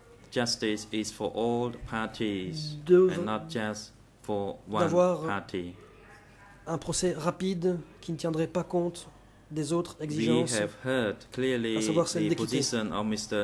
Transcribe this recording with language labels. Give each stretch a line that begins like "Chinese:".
English: Justice is for all parties and not just for one party.
French: Un procès rapide qui ne tiendrait pas compte des autres exigences.
English: We have heard clearly the position of Mr.